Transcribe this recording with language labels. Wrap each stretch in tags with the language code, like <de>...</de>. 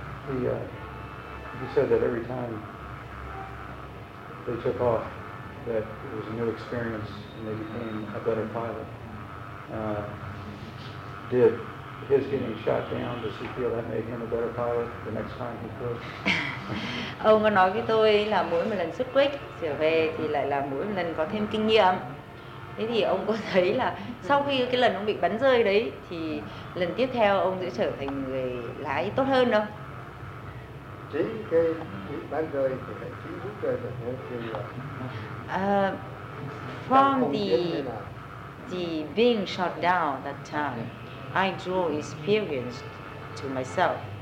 <en>You said that every time they took off, that it was a new experience, and they became a better pilot. Did his getting shot down, does he feel that made him a better pilot the next time he flew?</en> <vi>Ông có nói với tôi là mỗi một lần xuất quích trở về thì lại là mỗi một lần có thêm kinh nghiệm. Thế thì ông có thấy là sau khi cái lần ông bị bắn rơi đấy thì lần tiếp theo ông sẽ trở thành người lái tốt hơn không? Chính cái bị bắn rơi thì phải chính lúc rơi là những kinh nghiệm.</vi> <en>From the being shot down that time, I draw experience to myself.</en>